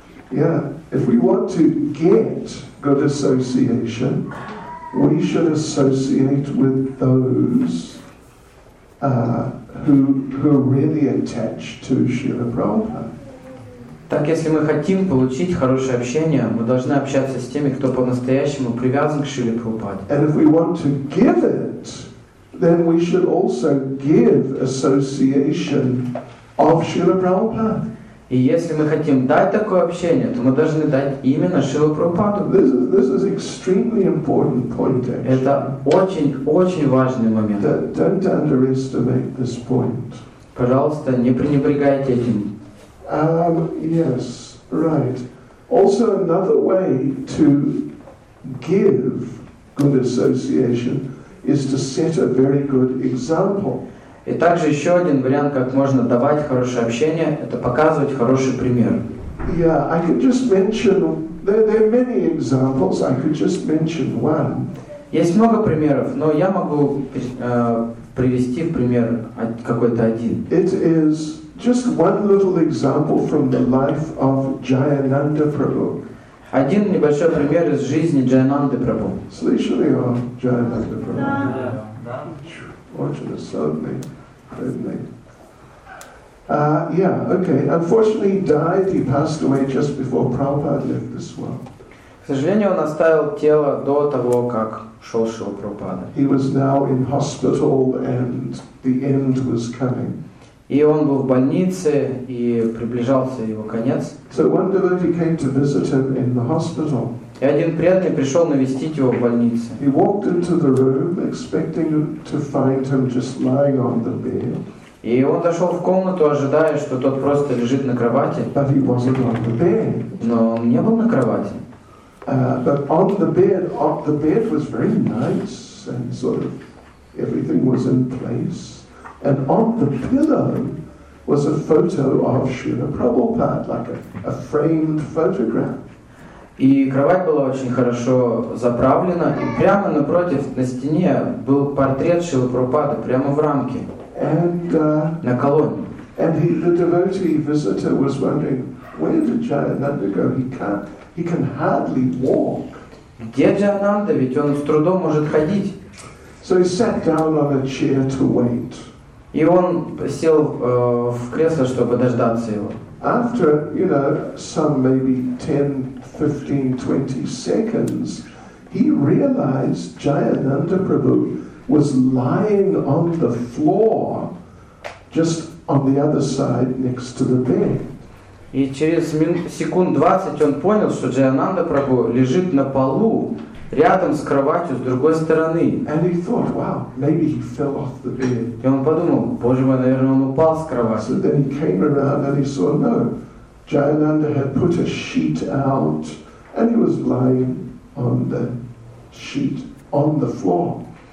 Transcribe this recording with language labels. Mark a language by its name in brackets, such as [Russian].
[English] Yeah, if we want to get good association, we should associate with those who are really attached to Srila Prabhupada. [Russian] Так, если мы хотим получить хорошее общение, мы должны общаться с теми, кто по-настоящему привязан к Шриле Прабхупаде. [English] And if we want to give it, then we should also give association of Srila Prabhupada. [Russian] И если мы хотим дать такое общение, то мы должны дать именно Шрилу Прабхупаду. [English] This is extremely important point, actually. [Russian] Это очень-очень важный момент. [English] Don't underestimate this point. [Russian] Пожалуйста, не пренебрегайте этим. [English] Yes, right. Also, another way to give good association is to set a very good example. [Russian] И также еще один вариант, как можно давать хорошее общение, это показывать хороший пример. [English] Yeah, I could just mention there are many examples. I could just mention one. [Russian] Есть много примеров, но я могу привести в пример какой-то один. [English] It is. Just one little example from the life of Jayananda Prabhu. [Russian] Один небольшой пример из жизни Джайананды Прабху. Слышали о Джайананде Прабху? Да. Очень особенный, бедный. [English] Yeah, okay. Unfortunately, he died. He passed away just before Prabhupada left this world. [Russian] К сожалению, он оставил тело до того, как шел Шрила Прабхупада. [English] He was now in hospital, and the end was coming. [Russian] И он был в больнице, и приближался его конец. [English] So one devotee came to visit him in the hospital. [Russian] И один преданный пришел навестить его в больнице. [English] He walked into the room, expecting to find him just lying on the bed. [Russian] И он зашел в комнату, ожидая, что тот просто лежит на кровати. [English] But he wasn't on the bed. [Russian] Но он не был на кровати. [English] But on the bed was very nice, and sort of everything was in place. And on the pillow was a photo of Srila Prabhupada, like a framed photograph. [Russian] И кровать была очень хорошо заправлена, и прямо напротив на стене был портрет Шрилы Прабхупады прямо в рамке. [English] And [Russian] на колонне. [English] And the devotee visitor was wondering, where did Jayananda go? He can hardly walk. [Russian] Где Джайананда? Ведь он с трудом может ходить. [English] So he sat down on a chair to wait. [Russian] И он сел в кресло, чтобы дождаться его. [English] After, you know, some maybe 10, 15, 20 seconds, he realized Jayananda Prabhu was lying on the floor, just on the other side next to the bed. [Russian] И через секунд 20 он понял, что Джайананда Прабху лежит на полу, рядом с кроватью с другой стороны. [English] And he thought, wow, maybe he fell off the bed. [Russian] И он подумал, боже мой, наверное, он упал с кровати. [English] So then he came around and he saw, no, Jayananda had put a sheet out, and he was lying on the sheet on the floor.